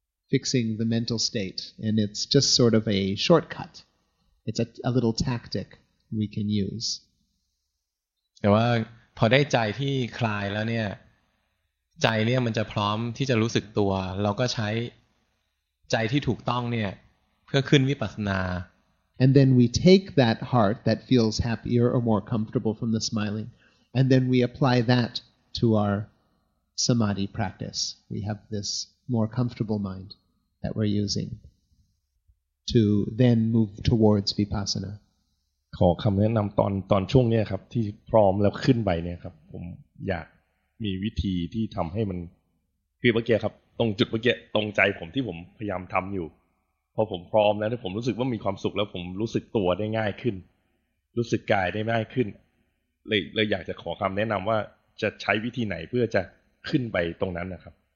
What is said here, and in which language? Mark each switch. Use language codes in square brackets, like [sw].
[en] fixing the mental state and it's just sort of a shortcut it's a little tactic we can use [th] แต่ว่าพอได้ใจที่คลายแล้วเนี่ยใจเนี่ยมันจะพร้อมที่จะรู้สึกตัวเราก็ใช้ใจที่ถูกต้องเนี่ยเพื่อขึ้นวิปัสสนา [en] and then we take that heart that feels happier or more comfortable from the smiling and then we apply that to our samadhi practice we have thismore comfortable mind that we're using to then move towards vipassana [th] ขอคำแนะนำตอนช่วงนี้ครับที่พร้อมแล้วขึ้นไปเนี่ยครับผมอยากมีวิธีที่ทำให้มันคือเมื่อกี้ครับตรงจุดเมื่อกี้ตรงใจผมที่ผมพยายามทำอยู่พอผมพร้อมแล้วที่ผมรู้สึกว่ามีความสุขแล้วผมรู้สึกตัวได้ง่ายขึ้นรู้สึกกายได้ง่ายขึ้นเลยอยากจะขอคำแนะนำว่าจะใช้วิธีไหนเพื่อจะขึ้นไปตรงนั้นนะครับ